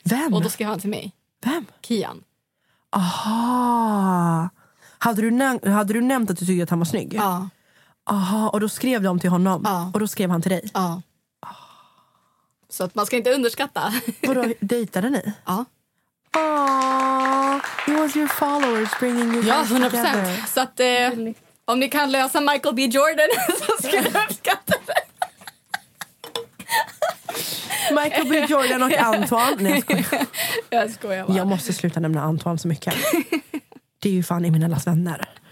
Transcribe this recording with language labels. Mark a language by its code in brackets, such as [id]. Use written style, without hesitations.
[sv] Vem? Och då skrev han till mig. Vem? Kian. Aha. Hade du nämnt att du tyckte att han var snygg? Ja. Aha, och då skrev de till honom. Ja. Och då skrev han till dig. Ja. Så att man ska inte underskatta. Vadå, dejtade ni? Ja. [en] Aww, it was your followers bringing you guys 100%. Together. [sv] Ja, 100%. Så att om ni kan lösa Michael B. Jordan så skulle jag uppskatta det. Michael B. Jordan och Antoine. Nej, jag skojar bara. Jag måste sluta nämna Antoine så mycket. Det är ju fan i mina allas vänner.